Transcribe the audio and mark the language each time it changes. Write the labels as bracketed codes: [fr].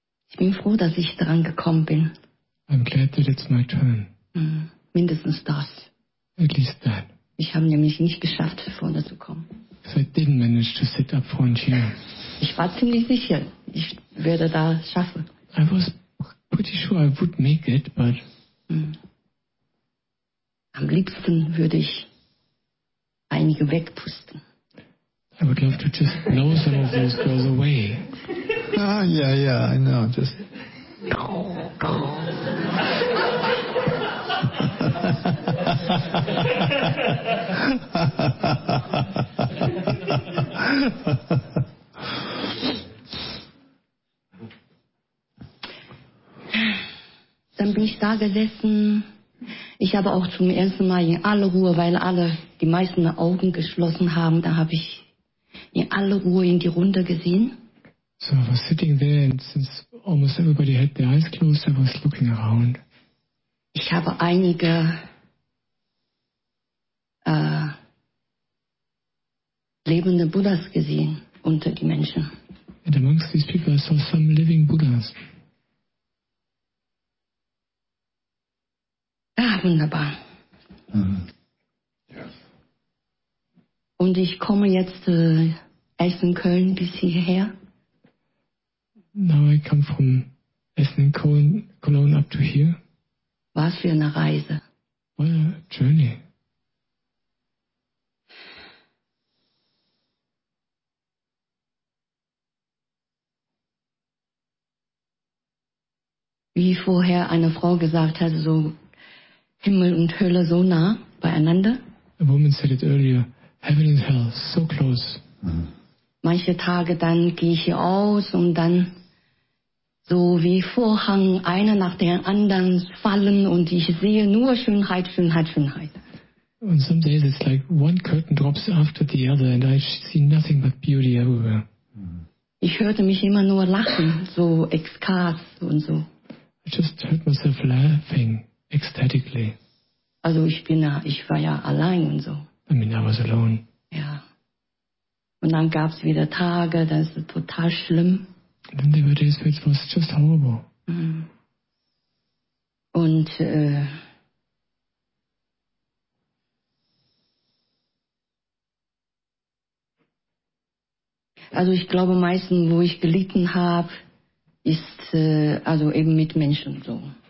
[de] Ich bin froh, dass ich dran gekommen bin. [en] I'm glad that it's my turn. [de] Mindestens das. [en] At least that. [de] Ich habe nämlich nicht geschafft, vorne zu kommen. [en] So I didn't manage to sit up front here. [de] Ich war ziemlich sicher, ich werde da schaffen. [en] I was pretty sure I would make it, but... [de] Am liebsten würde ich einige wegpusten. [en] I would love to just blow some of those girls away. Ah, yeah, yeah, I know, just... [de] Dann bin ich da gesessen. Ich habe auch zum ersten Mal in aller Ruhe, weil alle die meisten Augen geschlossen haben, da habe ich in aller Ruhe in die Runde gesehen. [en] So I was sitting there and since almost everybody had their eyes closed, I was looking around. [de] Ich habe einige lebende Buddhas gesehen unter die Menschen. [en] And amongst these people I saw some living Buddhas. [de] Ah, wunderbar. Mm-hmm. [en] Yes. [de] Und ich komme jetzt erst in Köln bis hierher. [en] Now I come from Essen in Cologne up to here. [de] Was für eine Reise. [en] What a journey. [de] Wie vorher eine Frau gesagt hat, so Himmel und Hölle so nah beieinander. [en] A woman said it earlier, heaven and hell so close. [de] Manche Tage dann gehe ich hier aus und dann so wie Vorhang, einer nach dem anderen fallen und ich sehe nur Schönheit, Schönheit, Schönheit. [en] On some days it's like one curtain drops after the other and I see nothing but beauty everywhere. [de] Ich hörte mich immer nur lachen, so Ekstase und so. [en] I just heard myself laughing ecstatically. [de] Also ich war ja allein und so. [en] I mean, I was alone. [de] Ja. Und dann gab es wieder Tage, das ist total schlimm. [en] Then there were days where it was just horrible. [de] Und also ich glaube meistens, wo ich gelitten habe, ist also eben mit Menschen so.